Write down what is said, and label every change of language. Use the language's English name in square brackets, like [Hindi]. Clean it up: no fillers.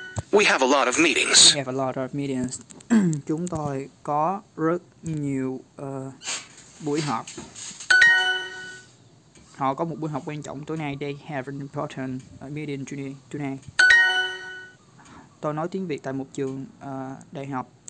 [English] We have a lot of meetings. [Vietnamese] Chúng tôi có rất nhiều buổi họp. Họ có một buổi họp quan trọng tối nay. [English] They have an important meeting tonight. [Vietnamese] Tôi nói tiếng Việt tại một trường đại học.